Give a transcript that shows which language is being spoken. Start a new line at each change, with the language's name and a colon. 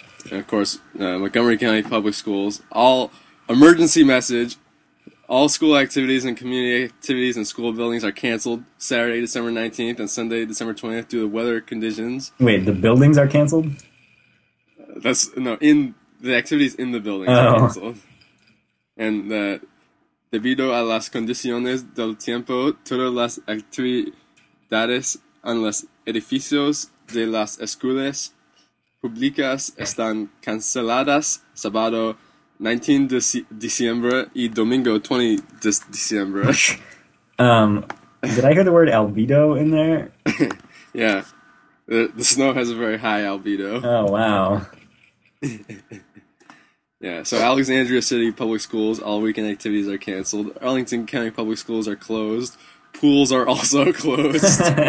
English: And of course, Montgomery County Public Schools, all emergency message, all school activities and community activities and school buildings are canceled Saturday, December 19th and Sunday, December 20th due to weather conditions. Wait, the buildings are canceled? The activities in the buildings are canceled.
Spanish: And debido a las condiciones del tiempo, todas las actividades en los edificios de las escuelas públicas están canceladas sábado 19 de diciembre y domingo 20 de diciembre.
English: Did I hear the word albedo in there? Yeah. The snow has a very high albedo. Oh, wow. Yeah, so Alexandria City Public Schools, all weekend activities are canceled. Arlington County Public Schools are closed. Pools are also closed.